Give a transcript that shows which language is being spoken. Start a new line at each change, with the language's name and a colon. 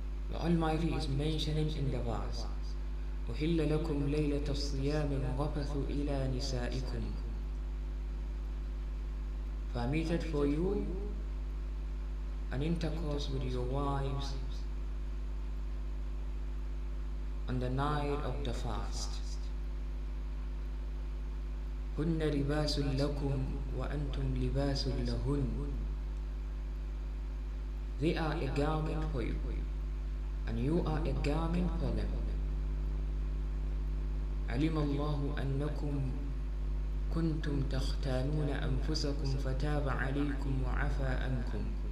English: The Almighty is mentioning in the verse,
Arabic: أحل لكم ليلة الصيام الرفث إلى نسائكم.
English: Permitted for you an intercourse with your wives on the night of the fast.
Arabic: هن لباس لكم وأنتم لباس لهن.
English: They are a garment for you and you are a garment for them.
Arabic: علم الله أنكم كنتم تختانون أنفسكم فتاب عليكم وعفى عنكم.